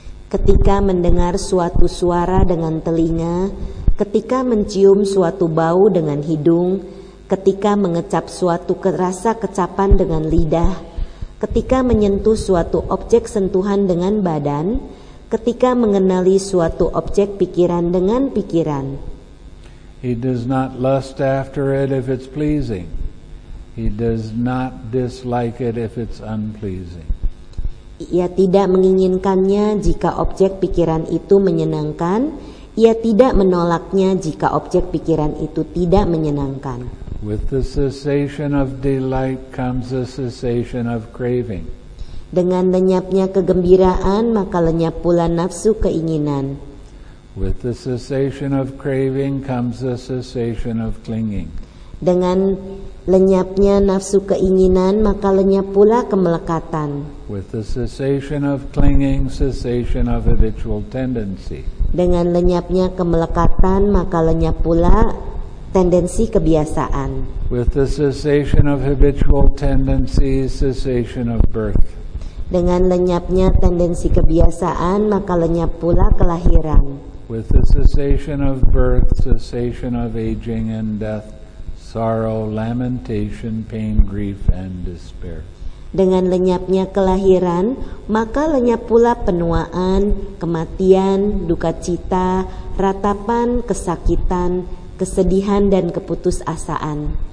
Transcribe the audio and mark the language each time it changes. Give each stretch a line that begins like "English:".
Indonesian: Ketika mendengar suatu suara dengan telinga, ketika mencium suatu bau dengan hidung, ketika mengecap suatu rasa kecapan dengan lidah, ketika menyentuh suatu objek sentuhan dengan badan, ketika mengenali suatu objek pikiran dengan pikiran.
English: He does not lust after it if it's pleasing. He does not dislike it if it's unpleasing.
Indonesian: Ia tidak menginginkannya jika objek pikiran itu menyenangkan. Ia tidak menolaknya jika objek pikiran itu tidak menyenangkan.
English: With the cessation of delight comes the cessation of craving.
Indonesian: Dengan lenyapnya kegembiraan, maka lenyap pula nafsu keinginan.
English: With the cessation of craving comes the cessation of clinging.
Indonesian: Dengan lenyapnya nafsu keinginan, maka lenyap pula kemelekatan.
English: With the cessation of clinging, cessation of habitual tendency.
Indonesian: Dengan lenyapnya kemelekatan, maka lenyap pula tendensi kebiasaan.
English: With the cessation of habitual tendency, cessation of birth.
Indonesian: Dengan lenyapnya tendensi kebiasaan, maka lenyap pula kelahiran.
English: With the cessation of birth, cessation of aging and death, sorrow, lamentation, pain, grief, and despair.
Indonesian: Dengan lenyapnya kelahiran, maka lenyap pula penuaan, kematian, duka cita, ratapan, kesakitan, kesedihan, dan keputusasaan.